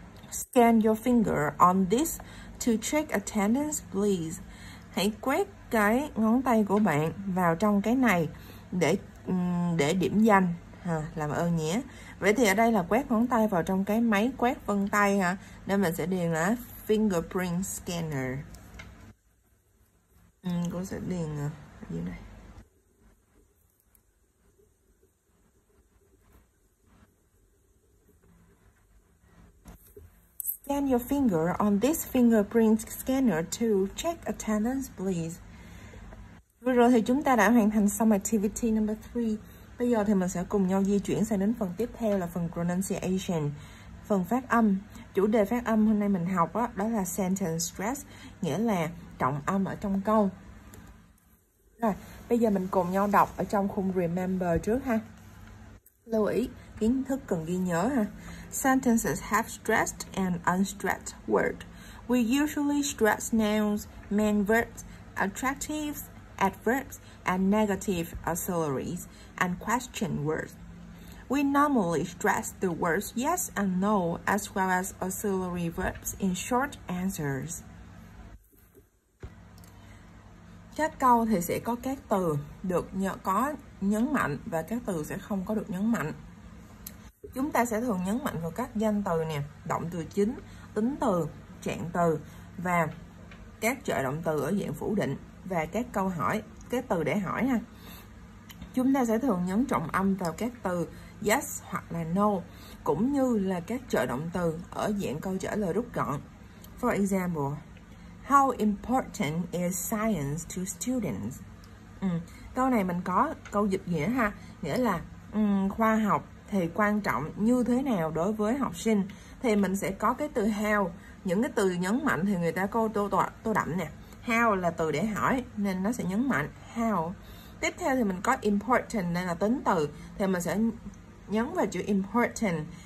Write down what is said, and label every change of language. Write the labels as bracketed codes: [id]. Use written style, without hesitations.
[en] Scan your finger on this to check attendance, please. [vi] Hãy quét cái ngón tay của bạn vào trong cái này để điểm danh. Làm ơn nhé. Vậy thì ở đây là quét ngón tay vào trong cái máy quét vân tay ha. Nên mình sẽ điền là fingerprint scanner. Cô sẽ điền như này. [en] Scan your finger on this fingerprint scanner to check attendance, please. [vi] Vừa rồi thì chúng ta đã hoàn thành xong [en] activity number 3. [vi] Bây giờ thì mình sẽ cùng nhau di chuyển sang đến phần tiếp theo là phần pronunciation, phần phát âm. Chủ đề phát âm hôm nay mình học đó là sentence stress, nghĩa là trọng âm ở trong câu. Rồi, bây giờ mình cùng nhau đọc ở trong khung remember trước ha. Lưu ý, kiến thức cần ghi nhớ ha. [en] Sentences have stressed and unstressed words. We usually stress nouns, main verbs, attractives, adverbs, and negative auxiliaries, and question words. We normally stress the words yes and no, as well as auxiliary verbs in short answers. [vi] Các câu thì sẽ có các từ được có nhấn mạnh và các từ sẽ không có được nhấn mạnh. Chúng ta sẽ thường nhấn mạnh vào các danh từ nè, động từ chính, tính từ, trạng từ và các trợ động từ ở dạng phủ định và các câu hỏi, các từ để hỏi nha. Chúng ta sẽ thường nhấn trọng âm vào các từ yes hoặc là no, cũng như là các trợ động từ ở dạng câu trả lời rút gọn. [en] For example, how important is science to students? [vi] Câu này mình có câu dịch nghĩa ha, nghĩa là khoa học thì quan trọng như thế nào đối với học sinh. Thì mình sẽ có cái từ how, những cái từ nhấn mạnh thì người ta có tô đậm nè. How là từ để hỏi nên nó sẽ nhấn mạnh how. Tiếp theo thì mình có important, đây là tính từ, thì mình sẽ nhấn vào chữ important.